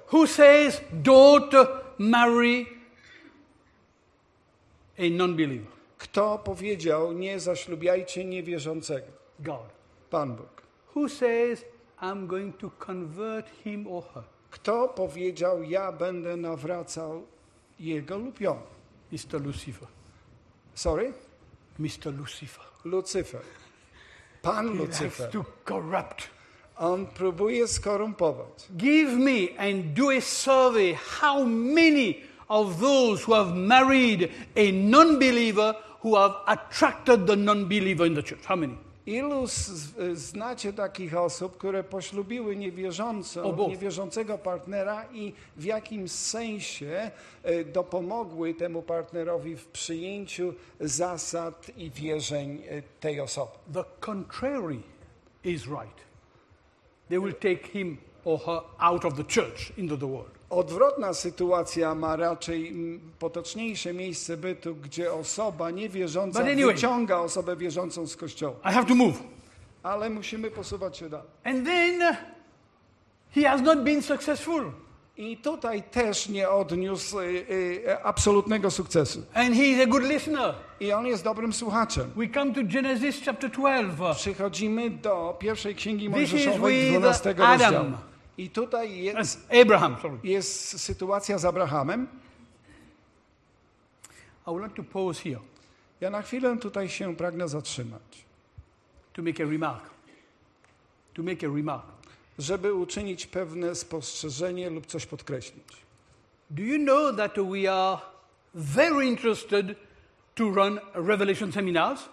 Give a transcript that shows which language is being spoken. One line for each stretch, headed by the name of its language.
English: Who says don't marry a non-believer?
Polish: Kto powiedział nie zaślubiajcie niewierzącego?
English: God.
Polish: Pan Bóg.
English: Who says I'm going to convert him or her?
Polish: Kto powiedział ja będę nawracał jego lub ją?
English: Mr. Lucifer. Sorry? Mr. Lucifer.
Polish: Lucifer. Pan
English: he
Polish: Lucifer.
English: Likes to corrupt.
Polish: On próbuje skorumpować.
English: Give me and do a survey how many of those who have married a non-believer who have attracted the non-believer in the church. How many?
Polish: Ilu znacie takich osób, które poślubiły niewierzącego partnera i w jakimś sensie dopomogły temu partnerowi w przyjęciu zasad i wierzeń tej osoby?
English: The contrary is right. They will take him or her out of the church into the world.
Polish: Odwrotna sytuacja ma raczej potoczniejsze miejsce bytu, gdzie osoba niewierząca
English: anyway,
Polish: wyciąga osobę wierzącą z kościoła.
English: I have to move.
Polish: Ale musimy posuwać się dalej.
English: And then he has not been successful.
Polish: I tutaj też nie odniósł absolutnego sukcesu.
English: And he is a good listener.
Polish: I on jest dobrym słuchaczem.
English: We come to Genesis chapter 12.
Polish: Przychodzimy do pierwszej księgi Mojżeszowej, 12 rozdziału. I tutaj jest,
English: Abraham, sorry.
Polish: Jest sytuacja z Abrahamem.
English: I would like to pause here.
Polish: Ja na chwilę tutaj się pragnę zatrzymać.
English: To make a remark. To make a remark.
Polish: Żeby uczynić pewne spostrzeżenie lub coś podkreślić.
English: Do you know that we are very interested to run Revelation seminars?